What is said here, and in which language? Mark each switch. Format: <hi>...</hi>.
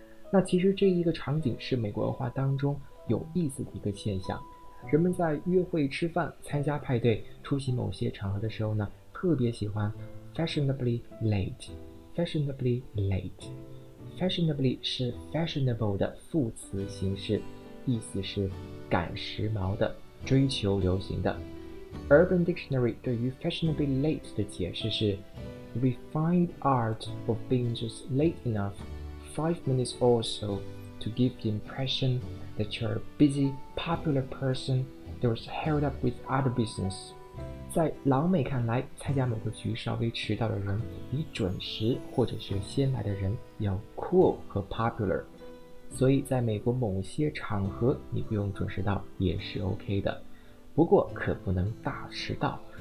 <zh>那其实这一个场景是美国文化当中有意思的一个现象，人们在约会、吃饭、参加派对、出席某些场合的时候呢，特别喜欢</zh> <en>fashionably late。 fashionably late，</en> <zh>fashionably 是 fashionable 的副词形式，意思是赶时髦的，追求流行的。</zh> <en>Urban Dictionary</en> <zh>对于</zh> <en>fashionably late</en> <zh>的解释是</zh> <en>refined art of being just late enough 5 minutes or so to give the impressionThat you're a busy, popular person that was held up with other business.</en> <zh>在老美看来，参加某个局稍微迟到的人比准时或者是先来的人要 cool 和 popular. 所以在美国某些场合你不用准时到也是 OK 的，不过可不能大迟到。</zh>